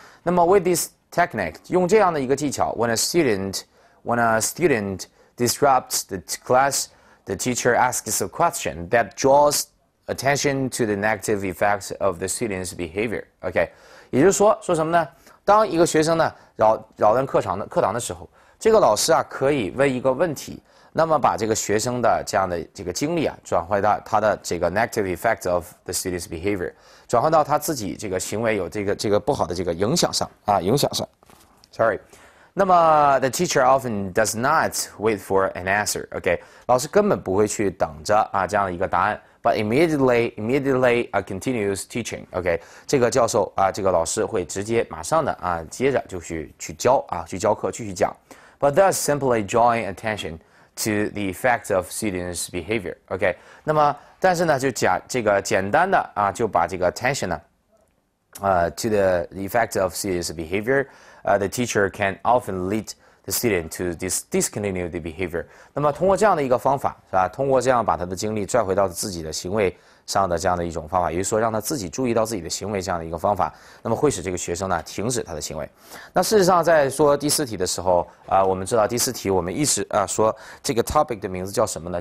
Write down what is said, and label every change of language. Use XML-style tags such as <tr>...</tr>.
<en>那么 with this technique,</en> <zh>用这样的一个技巧</zh> <en>，when a student disrupts the class, the teacher asks a question that draws attention to the negative effects of the student's behavior.</en> <zh>Okay, 也就是说什么呢？当一个学生呢扰乱课堂的时候，这个老师啊可以问一个问题。那么把这个学生的这样的这个经历啊，转换到他的这个</zh> <en>negative effect of the student's behavior，</en> <zh>转换到他自己这个行为有这个不好的这个影响上啊，影响上。</zh> <en>Sorry， 那么 the teacher often does not wait for an answer.</en> <zh>OK， 老师根本不会去等着啊这样的一个答案 ，</zh> <en>but immediately continues teaching.</en> <zh>OK， 这个教授啊，这个老师会直接马上的啊，接着就去教啊，去教课，继续讲 ，</zh> <en>but thus simply drawing attention。 To the effect of students' behavior, okay.</en> <zh>那么，但是呢，就讲这个简单的啊，就把这个</zh> <en>attention 呢，to the effect of students' behavior, the teacher can often lead the student to discontinue the behavior.</en> <zh>那么，通过这样的一个方法，是吧？通过这样把他的精力拽回到自己的行为上的这样的一种方法，也就是说，让他自己注意到自己的行为这样的一个方法，那么会使这个学生呢停止他的行为。那事实上，在说第四题的时候，我们知道第四题我们一直说这个 topic 的名字叫什么呢？</zh>